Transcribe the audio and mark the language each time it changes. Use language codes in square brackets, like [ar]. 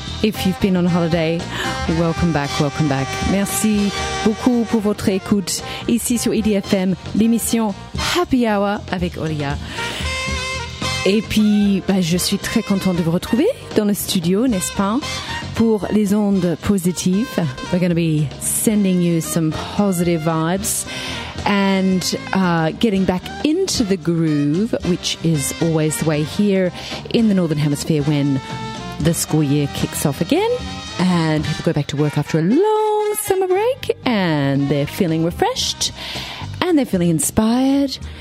[en] If you've been on holiday, welcome back, welcome back. [fr] Merci beaucoup pour votre écoute ici sur IDFM, l'émission Happy Hour avec Olia. Et puis, je suis très contente de vous retrouver dans le studio, n'est-ce pas, pour les ondes positives. [en] We're going to be sending you some positive vibes. And getting back into the groove, which is always the way here in the Northern Hemisphere when the school year kicks off again and people go back to work after a long summer break and they're feeling refreshed and they're feeling inspired.